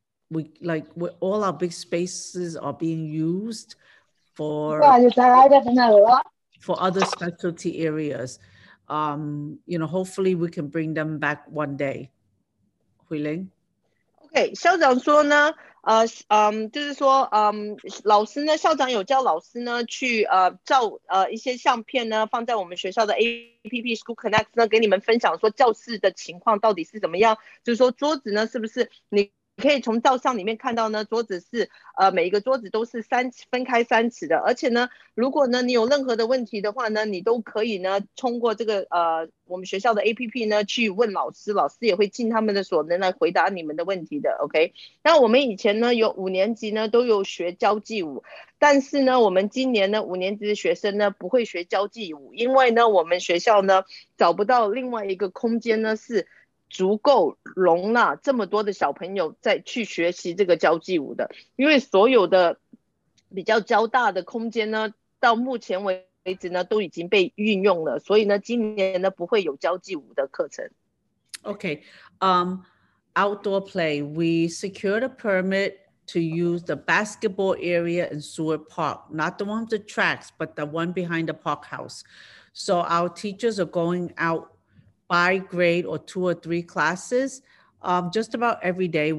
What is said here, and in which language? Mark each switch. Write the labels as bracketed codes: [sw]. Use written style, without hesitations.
[en] We all our big spaces are being used for other specialty areas. You know, hopefully we can bring them back one day. Hui Ling? [zh] Okay, 校长说呢，就是说，老师呢，校长有叫老师呢去照一些相片呢，放在我们学校的 APP School Connect 呢，给你们分享说教室的情况到底是怎么样，就是说桌子呢是不是你可以从照相里面看到呢，桌子是每一个桌子都是分开三尺的，而且呢，如果呢你有任何的问题的话呢，你都可以呢通过这个我们学校的 APP 呢去问老师，老师也会尽他们的所能来回答你们的问题的。 OK， 那我们以前呢有五年级呢都有学交际舞，但是呢我们今年呢五年级的学生呢不会学交际舞，因为呢我们学校呢找不到另外一个空间呢是足够容纳这么多的小朋友再去学习这个交际舞的，因为所有的比较交大的空间呢到目前为止呢都已经被运用了，所以呢今年呢不会有交际舞的课程。 [en] OK、outdoor play, we secured a permit to use the basketball area in Seward Park, not the one with the tracks but the one behind the park house, so our teachers are going outby grade or two or three classes, just about every day.